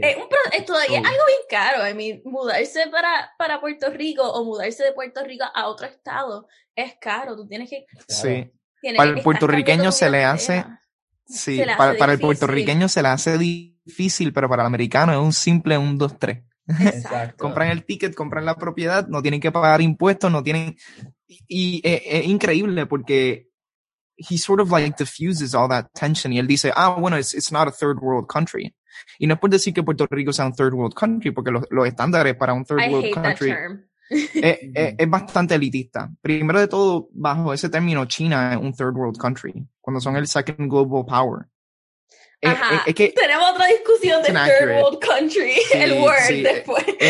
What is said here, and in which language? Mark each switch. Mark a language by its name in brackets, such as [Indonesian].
[Spanish] Es algo bien caro, [English] I mean, [Spanish] mudarse para Puerto Rico o mudarse de Puerto Rico a otro estado es caro, tú tienes que... Sí, tienes para el puertorriqueño se le hace... Sí, se le hace para el puertorriqueño se le hace difícil, pero para el americano es un simple 1, 2, 3. Exacto. Compran el ticket, compran la propiedad, no tienen que pagar impuestos, no tienen... Y es increíble porque... [English] He sort of like diffuses all that tension. [Spanish] Y él dice, ah, bueno, [English] it's not a third world country. [Spanish] Y no es por decir que Puerto Rico sea un third world country, porque los estándares para un third world country es bastante elitista. Primero de todo, bajo ese término, China es un third world country, cuando son el second global power. Es que tenemos otra discusión de third world country, sí, el word, sí, después.